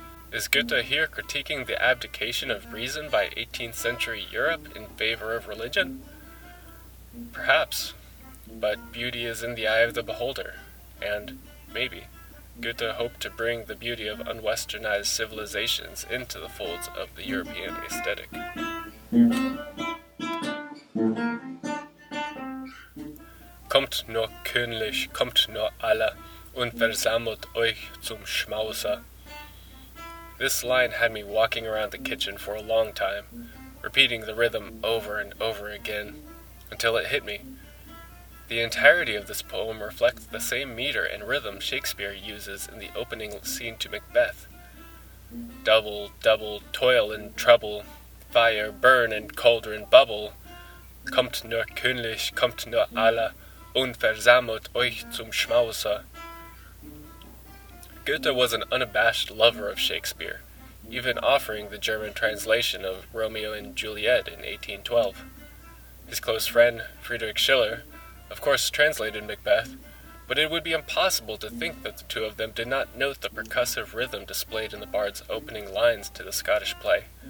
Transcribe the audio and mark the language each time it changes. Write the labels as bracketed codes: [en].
[en] Is Goethe here critiquing the abdication of reason by 18th century Europe in favor of religion? Perhaps, but beauty is in the eye of the beholder, and maybe Goethe hoped to bring the beauty of unwesternized civilizations into the folds of the European aesthetic. [de] Kommt nur königlich, kommt nur alle, und versammelt euch zum Schmauser. [en] This line had me walking around the kitchen for a long time, repeating the rhythm over and over again, until it hit me. The entirety of this poem reflects the same meter and rhythm Shakespeare uses in the opening scene to Macbeth. Double, double, toil and trouble, fire, burn and cauldron bubble. [de] Kommt nur königlich, kommt nur alle, und versammelt euch zum Schmauser. [en] Goethe was an unabashed lover of Shakespeare, even offering the German translation of Romeo and Juliet in 1812. His close friend, Friedrich Schiller, of course translated Macbeth, but it would be impossible to think that the two of them did not note the percussive rhythm displayed in the bard's opening lines to the Scottish play.